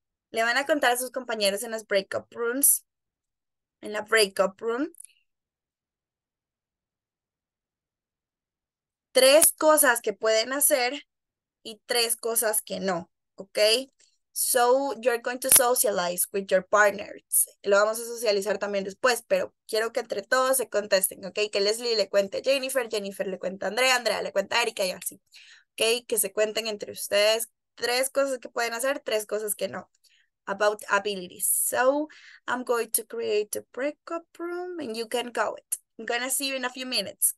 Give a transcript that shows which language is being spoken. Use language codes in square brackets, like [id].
[es] Le van a contar a sus compañeros en las breakup rooms. En la breakup room. Tres cosas que pueden hacer y tres cosas que no. [en] Okay? So you're going to socialize with your partners. [es] Lo vamos a socializar también después, pero quiero que entre todos se contesten, okay? Que Leslie le cuente a Jennifer, Jennifer le cuenta a Andrea, Andrea le cuenta a Erika y así. Okay? Que se cuenten entre ustedes tres cosas que pueden hacer, tres cosas que no. [en] About abilities. So I'm going to create a breakup room and you can go it. I'm going to see you in a few minutes.